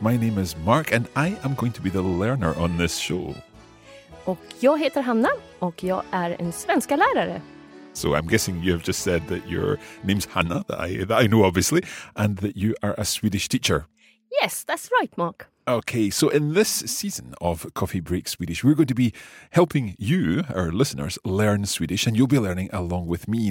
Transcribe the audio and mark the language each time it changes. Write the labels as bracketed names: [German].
[English] My name is Mark and I am going to be the learner on this show. [Swedish] Och jag heter Hanna och jag är en svenska lärare. [English] So I'm guessing you have just said that your name's Hanna, that I know obviously, and that you are a Swedish teacher. Yes, that's right, Mark. Okay, so in this season of Coffee Break Swedish, we're going to be helping you, our listeners, learn Swedish, and you'll be learning along with me.